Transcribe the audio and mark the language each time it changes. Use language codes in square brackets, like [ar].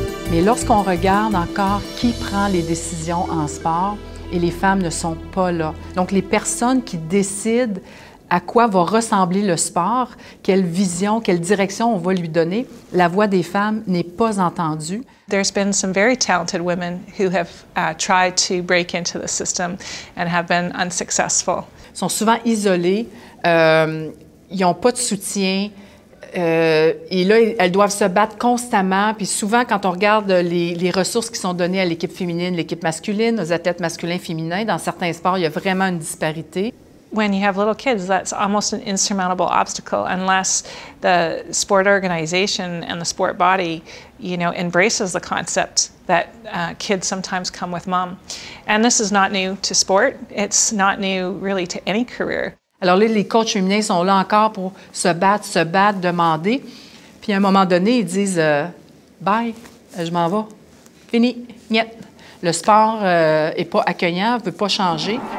[fr] Mais lorsqu'on regarde encore qui prend les décisions en sport, et les femmes ne sont pas là. Donc les personnes qui décident à quoi va ressembler le sport, quelle vision, quelle direction on va lui donner, la voix des femmes n'est pas entendue. [en] There's been some very talented women who have tried to break into the system and have been unsuccessful. [fr] Ils sont souvent isolées, ils n'ont pas de soutien. Et là, elles doivent se battre constamment. Puis souvent, quand on regarde les ressources qui sont données à l'équipe féminine, l'équipe masculine, aux athlètes masculins, féminins, dans certains sports, il y a vraiment une disparité. [en] When you have little kids, that's almost an insurmountable obstacle unless the sport organization and the sport body, you know, embraces the concept that kids sometimes come with mom. And this is not new to sport. It's not new really to any career. [fr] Alors là, les coachs féminins sont là encore pour se battre, demander. Puis à un moment donné, ils disent bye, je m'en vais. Fini, niet. Le sport n'est pas accueillant, ne veut pas changer.